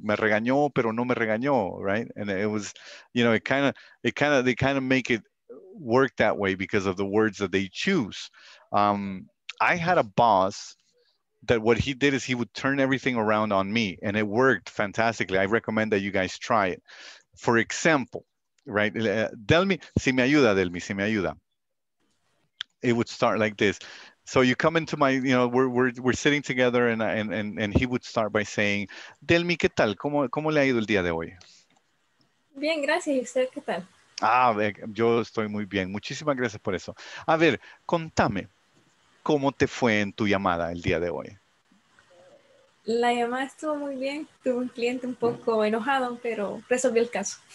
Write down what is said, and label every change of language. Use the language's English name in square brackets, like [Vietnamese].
[Spanish] Me regañó, pero no me regañó, [English] right? And it was, you know, they kind of make it work that way because of the words that they choose. I had a boss that what he did is he would turn everything around on me and it worked fantastically. I recommend that you guys try it. For example, right? [Spanish] Delmi, si me ayuda, Delmi, si me ayuda. [English] It would start like this. So you come into my, you know, we're sitting together and he would start by saying, Delmi, [Spanish] ¿qué tal? ¿Cómo le ha ido el día de hoy? Bien, gracias. ¿Y usted qué tal? Ah, yo estoy muy bien. Muchísimas gracias por eso. A ver, contame, ¿cómo te fue en tu llamada el día de hoy? La llamada estuvo muy bien. Tuve un cliente un poco enojado, pero resolví el caso.